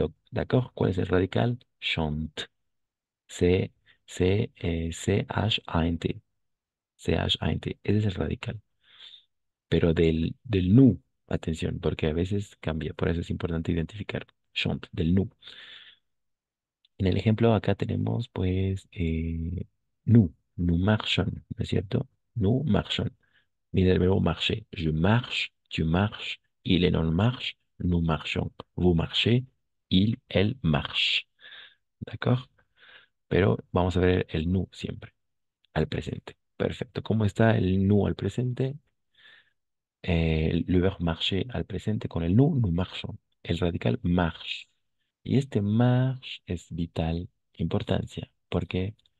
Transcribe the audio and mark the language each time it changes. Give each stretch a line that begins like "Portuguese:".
Spanish: ¿D'accord? ¿Cuál es el radical? Chant. C-C-C-H-A-N-T. C-H-A-N-T. Ese es el radical. Pero del nu, atención, porque a veces cambia. Por eso es importante identificar. Chant, del nu. En el ejemplo acá tenemos, pues, nu.
French: Nous marchons,
Spanish: ¿no es cierto? Nous marchons. Viene del verbo marcher.
French: Je marche, tu marches, il est en marche. Nous marchons, vous marchez, il, elle marche. ¿D'accord?
Spanish: Pero vamos a ver el nous siempre, al presente. Perfecto. ¿Cómo está el nous al presente?
French: Le verbe marcher
Spanish: al presente con el nous,
French: nous marchons.
Spanish: El radical marche. Y este marche es vital importancia. ¿Por qué?